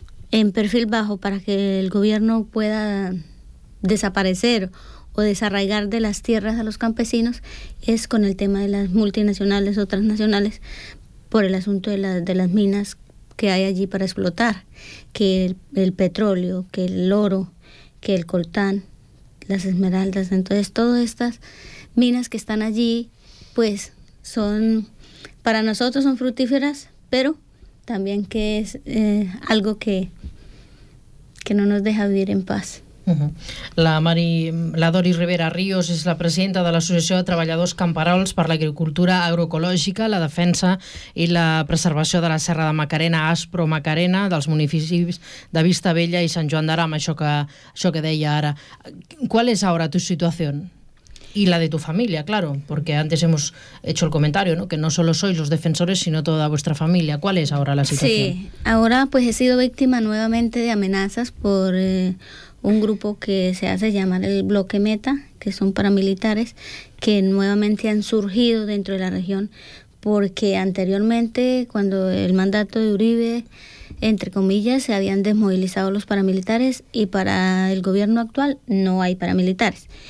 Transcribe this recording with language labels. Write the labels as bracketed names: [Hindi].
[Spanish] en perfil bajo, para que el gobierno pueda desaparecer o desarraigar de las tierras a los campesinos, es con el tema de las multinacionales o transnacionales, por el asunto de las minas que hay allí para explotar, que el petróleo, que el oro, que el coltán, las esmeraldas. Entonces, todas estas minas que están allí, pues, son, para nosotros son fructíferas, pero también que es algo que no nos deja vivir en paz. [Catalan] La Doris Rivera Ríos és la presidenta de l'Associació de Treballadors Camperols per l'Agricultura Agroecològica, la Defensa i la Preservació de la Serra de Macarena, Aspro Macarena, dels municipis de Vista Vella i Sant Joan d'Arama, això que deia ara. [Spanish] ¿Cuál es ahora tu situación? Y la de tu familia, claro, porque antes hemos hecho el comentario, ¿no? Que no solo sois los defensores, sino toda vuestra familia. ¿Cuál es ahora la situación? Sí, ahora pues he sido víctima nuevamente de amenazas por... un grupo que se hace llamar el Bloque Meta, que son paramilitares, que nuevamente han surgido dentro de la región, porque anteriormente, cuando el mandato de Uribe, entre comillas, se habían desmovilizado los paramilitares, y para el gobierno actual no hay paramilitares.